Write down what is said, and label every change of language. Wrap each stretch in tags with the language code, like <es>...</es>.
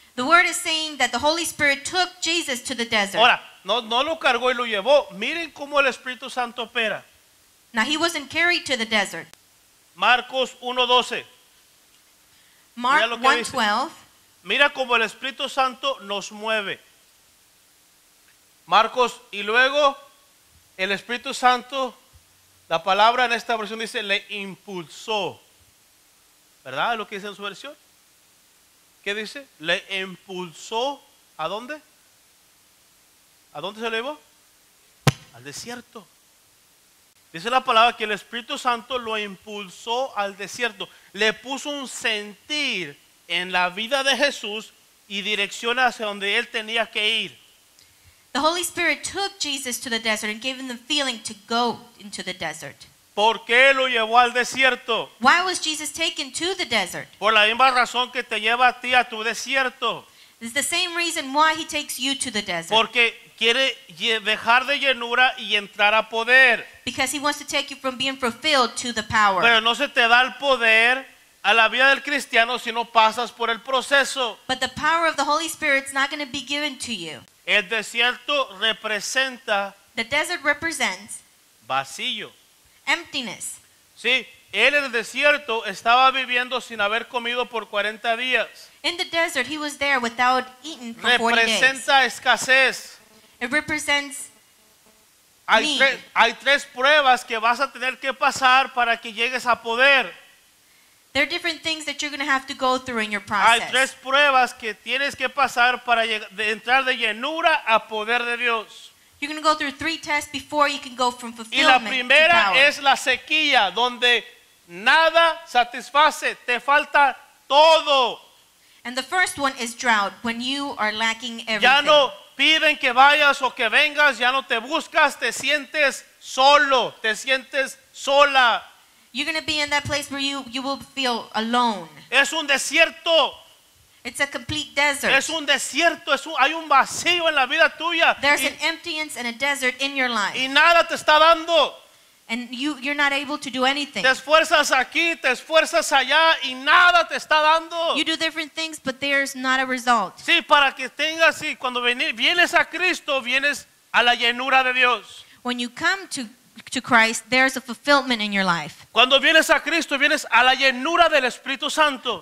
<en>The word is saying that the Holy Spirit took Jesus to the desert.</en> <es>Ahora, no lo cargó y lo llevó. Miren cómo el Espíritu Santo opera.</es> <en>Now he wasn't carried to the desert.</en> <es>Marcos 1:12.</es> <en>Mark 1:12.</en> <es>Mira cómo el Espíritu Santo nos mueve. Marcos, y luego el Espíritu Santo, la palabra en esta versión dice, le impulsó. ¿Verdad? Lo que dice en su versión. ¿Qué dice? Le impulsó. ¿A dónde? ¿A dónde se lo llevó? Al desierto. Dice la palabra que el Espíritu Santo lo impulsó al desierto. Le puso un sentir en la vida de Jesús y dirección hacia donde él tenía que ir.</es> <en>The Holy Spirit took Jesus to the desert and gave him the feeling to go into the desert.</en> <es>¿Por qué lo llevó al desierto?</es> <en>Why was Jesus taken to the desert?</en> <es>Por la misma razón que te lleva a ti a tu desierto.</es> <en>It's the same reason why he takes you to the desert.</en> <es>Porque quiere dejar de llenura y entrar a poder.</es> <en>Because he wants to take you from being fulfilled to the power.</en> <es>Pero no se te da el poder a la vida del cristiano si no pasas por el proceso.</es> <en>But the power of the Holy Spirit is not going to be given to you.</en> <es>El desierto representa,</es> <en>the desert represents,</en> <es>vacío,</es> <en>emptiness.</en> <es>Sí, él en el desierto estaba viviendo sin haber comido por 40 días.</es> <en>In the desert he was there without eating for 40 days.</en> <es>Representa escasez.</es> <en>It represents need.</en> <es>Hay tres pruebas que vas a tener que pasar para que llegues a poder.</es> <en>There are different things that you're going to have to go through in your process.</en> <es>Hay tres pruebas que tienes que pasar para entrar de llenura a poder de Dios.</es> <en>You're going to go through three tests before you can go from fulfillment to power.</en> <es>Y la primera es la sequía, donde nada satisface, te falta todo.</es> <en>And the first one is drought, when you are lacking everything.</en> <es>Ya no piden que vayas o que vengas, ya no te buscas, te sientes solo, te sientes sola.</es> <en>You're going to be in that place where you will feel alone.</en> <es>Es un desierto.</es> <en>It's a complete desert.</en> <es>Es un desierto. Hay un vacío en la vida tuya.</es> <en>There's an emptiness and a desert in your life.</en> <es>Y nada te está dando.</es> <en>And you're not able to do anything.</en> <es>Te esfuerzas aquí, te esfuerzas allá, y nada te está dando.</es> <en>You do different things, but there's not a result.</en> <es>Sí, para que tengas, y cuando vienes a Cristo, vienes a la llenura de Dios.</es> <en>When you come to Christ, there's a fulfillment in your life.</en> <es>Cuando vienes a Cristo, vienes a la llenura del Espíritu Santo.</es>